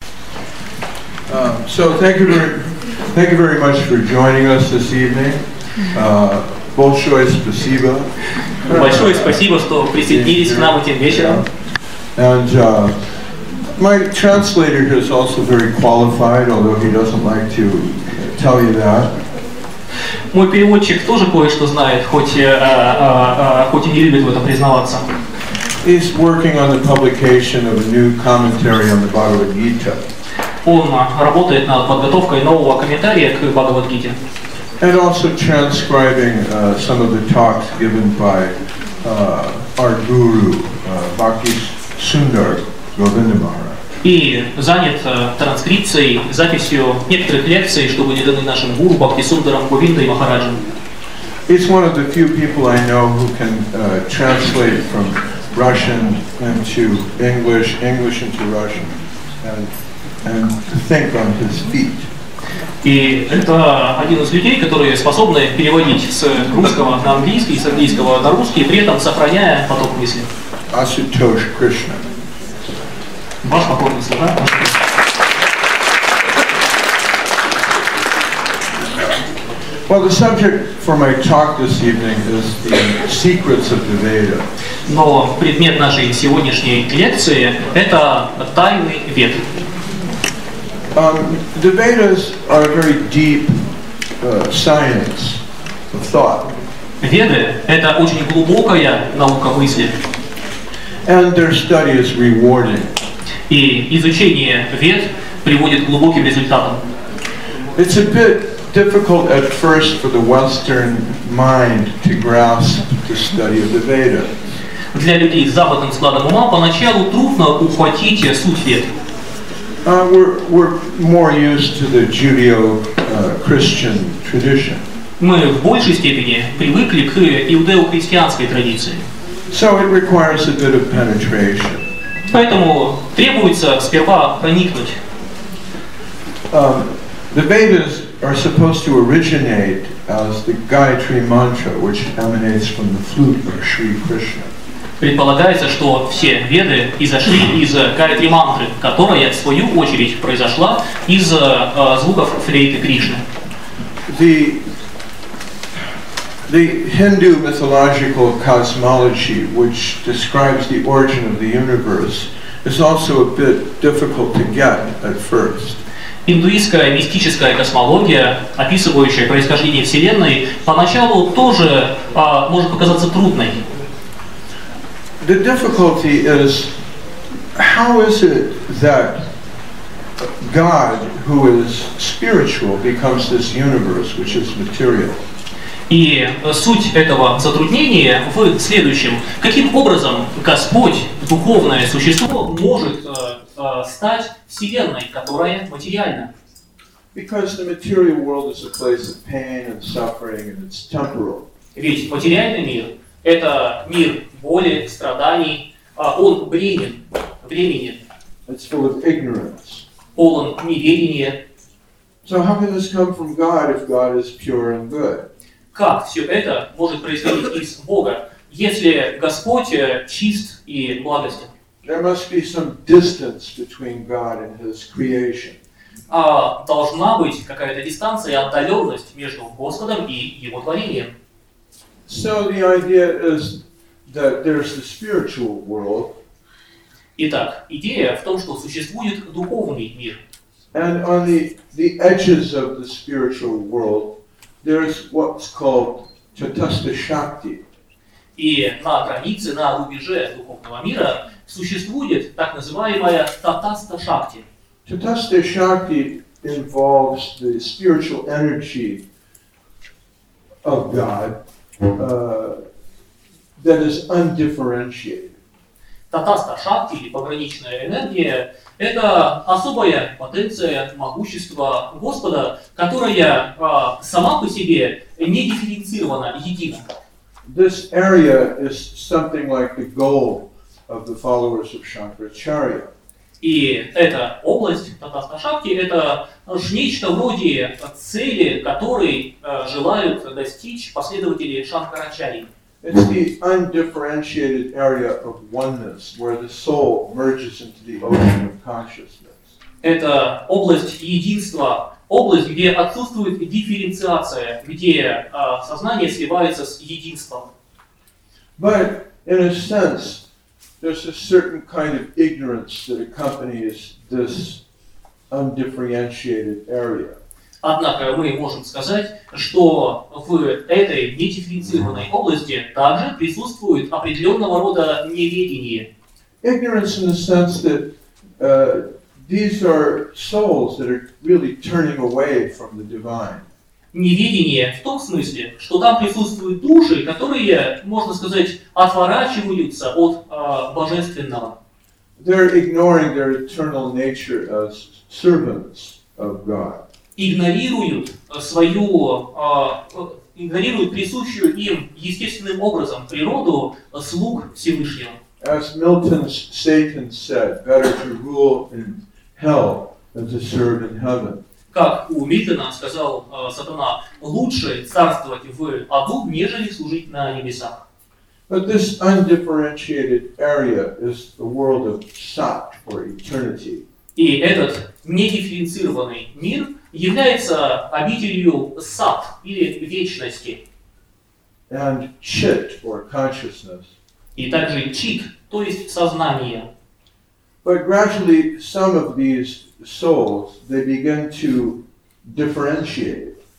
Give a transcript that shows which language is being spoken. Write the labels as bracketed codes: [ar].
[en] So thank you very much for joining us this evening. [ru] Большое спасибо. Большое спасибо, что присоединились к нам этим вечером. [en] And my translator is also very qualified, although he doesn't like to tell you that. [ru] Мой переводчик тоже кое-что знает, хоть и не любит в этом признаваться. [en] He's working on the publication of a new commentary on the Bhagavad Gita. [ru] Он работает над подготовкой нового комментария к Бхагавад Гите. [en] And also transcribing some of the talks given by our guru, Bhakti Sundar Govinda Maharaj. [ru] И занят транскрипцией, записью некоторых лекций, что были даны нашим гуру Бхакти Сундарам Говиндой Махараджем. [en] He's one of the few people I know who can translate from Russian into English, English into Russian, and think on his feet. [ru] И это один из людей, которые способны переводить с русского на английский, с английского на русский, при этом сохраняя поток мысли. [en] Ashutosh Krishna. [ru] Ваш покорный слуга. [en] Well, the subject for my talk this evening is the secrets of the Veda. [ru] Но предмет нашей сегодняшней лекции – это тайны Вед. [en] The Vedas are a very deep science of thought. [ru] Веды – это очень глубокая наука мысли. [en] And their study is rewarding. [ru] И изучение Вед приводит к глубоким результатам. [en] It's a bit difficult at first for the Western mind to grasp the study of the Veda. [ru] Для людей с западным складом ума поначалу трудно ухватить суть Вед. [en] We're more used to the Judeo-Christian tradition. [ru] Мы в большей степени привыкли к иудео-христианской традиции. [en] So it requires a bit of penetration. [ru] Поэтому требуется сперва проникнуть. [en] The Vedas are supposed to originate as the Gayatri Mantra, which emanates from the flute of Sri Krishna. [ru] Предполагается, что все Веды изошли из Гаятри Мантры, которая, в свою очередь, произошла из звуков флейты Кришны. [en] The Hindu mythological cosmology, which describes the origin of the universe, is also a bit difficult to get at first. [ru] Индуистская мистическая космология, описывающая происхождение Вселенной, поначалу тоже может показаться трудной. [en] The difficulty is, how is it that God, who is spiritual, becomes this universe, which is material? [ru] И суть этого затруднения в следующем. Каким образом Господь, духовное существо, может стать Вселенной, которая материальна? [en] Because the material world is a place of pain and suffering, and it's temporal. [ru] Ведь материальный мир – это мир боли, страданий, он бремен, времени. [en] It's full of ignorance. [ru] Полон неведения. [en] So how can this come from God if God is pure and good? [ru] Как все это может происходить из Бога, если Господь чист и благостен? [en] There must be some distance between God and His creation. [ru] Должна быть какая-то дистанция, отдаленность между Господом и Его творением. [en] So the idea is that there's the spiritual world. [ru] Итак, идея в том, что существует духовный мир. [en] And on the edges of the spiritual world, there is what's called Chatushta Shakti. [ru] И на границе, на рубеже духовного мира существует так называемая Chatushta Shakti. [en] Chatushta Shakti involves the spiritual energy of God that is undifferentiated. [ru] Chatushta Shakti, или пограничная энергия, это особая потенция, могущество Господа, которая сама по себе не дифференцирована, едина. [en] This area is something like the goal of the followers of Shankaracharya. [ru] И эта область, Chatushta Shakti, это нечто вроде цели, которой желают достичь последователи Шанкарачарьи. [en] It's the undifferentiated area of oneness, where the soul merges into the ocean of consciousness. [ru] это область единства, область, где отсутствует дифференциация, где сознание сливается с единством. [en] But in a sense, there's a certain kind of ignorance that accompanies this undifferentiated area. [ru] Однако мы можем сказать, что в этой недифференцированной области также присутствует определенного рода неведение. [en] Ignorance in the sense that these are souls that are really turning away from the divine. [ru] Неведение в том смысле, что там присутствуют души, которые, можно сказать, отворачиваются от божественного. [en] They're ignoring their eternal nature as servants of God. [ru] Игнорируют свою, игнорируют присущую им естественным образом природу слуг Всевышнего. [en] As Milton's Satan said, better to rule in hell than to serve in heaven. [ru] Как у Мильтона сказал сатана, лучше царствовать в аду, нежели служить на небесах. [en] But this undifferentiated area is the world of sat or eternity. [ru] И этот недифференцированный мир является обителью сат или вечности. [en] And chit or consciousness. [ru] И также чит, то есть сознание. [en] But gradually some of these souls, they begin to differentiate.